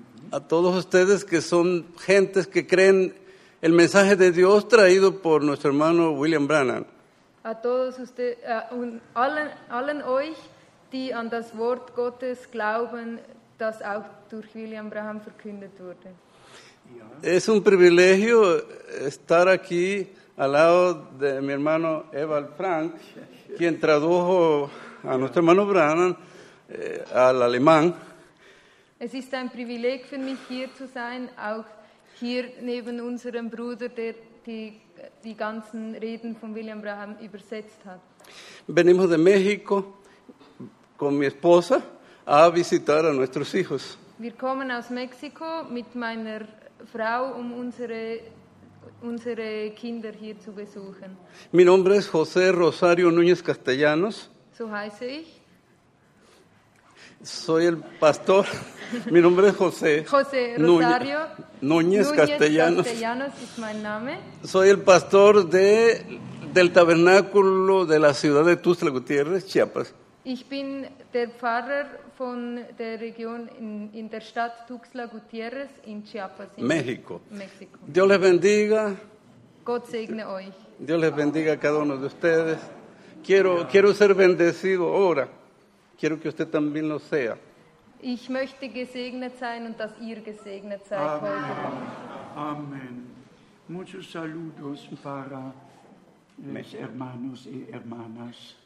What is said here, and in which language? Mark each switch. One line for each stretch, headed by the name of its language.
Spanish: A todos ustedes que son gentes que creen el mensaje de Dios traído por nuestro hermano William Branham. A todos ustedes,
German: allen euch, die an das Wort Gottes glauben, das auch durch William Branham verkündet wurde. Ja.
Spanish: Es un privilegio estar aquí al lado de mi hermano Ewald Frank, quien tradujo a nuestro hermano Branham al alemán.
German: Es ist ein Privileg für mich, hier zu sein, auch hier neben unserem Bruder, der die ganzen Reden von William Branham übersetzt hat.
Spanish: Venimos de México con mi esposa a visitar a nuestros hijos.
German: Wir kommen aus Mexiko mit meiner Frau, um unsere Kinder hier zu besuchen.
Spanish: Mi nombre es José Rosario Núñez Castellanos.
German: So heiße ich.
Spanish: Soy el pastor. Mi nombre es José. José Rosario Núñez Castellanos. Castellanos es mi nombre. Soy el pastor del tabernáculo de la ciudad de Tuxtla Gutiérrez, Chiapas.
German: Ich bin der Pfarrer von der Region in der Stadt Tuxtla Gutiérrez in Chiapas, in
Spanish: México. México. Dios les bendiga.
German: Gott segne euch.
Spanish: Dios les bendiga a cada uno de ustedes. Quiero ser bendecido ahora. Quiero que usted también lo sea.
German: Ich möchte gesegnet sein und dass ihr gesegnet seid Amen. Heute. Amen.
Spanish: Muchos saludos para mis hermanos y hermanas.